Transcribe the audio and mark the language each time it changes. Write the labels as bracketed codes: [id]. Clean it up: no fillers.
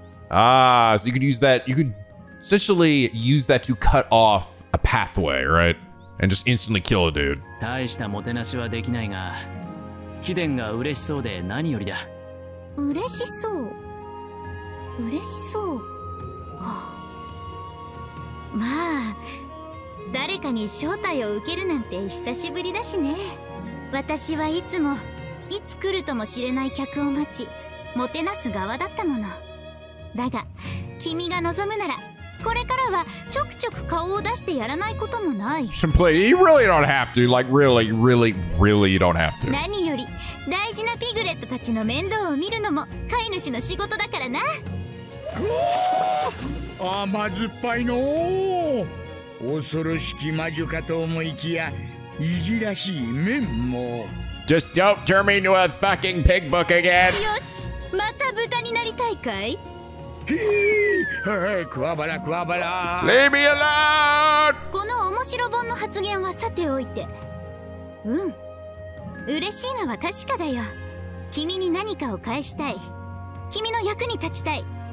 [en] Ah, so you could use that, you could essentially use that to cut off a pathway, right? And just instantly kill a dude. [ja] 大したもてなしはできないが、貴殿が嬉しそうで何よりだ。嬉しそう。嬉しそう。まあ、誰かに招待を受けるなんて久しぶりだしね。私はいつも、いつ来るとも知れない客を待ち、もてなす側だったもの。だが、君が望むなら、これからはちょくちょく顔を出してやらないこともない。 [en] Simply, you really don't have to. Like, really, really, really don't have to. [ja] 何より、大事なピグレットたちの面倒を見るのも飼い主の仕事だからな。うわー！甘酸っぱいのー！恐ろしき魔女かと思いきや、いじらしい面も。 [en] Just don't turn me into a fucking pig book again! [ja] よし、また豚になりたいかい？クワバラクワバラ。 [en] Leave me alone。 [ja] この面白本の発言はさておいて、うん、嬉しいのは確かだよ。君に何かを返したい。君の役に立ちたい。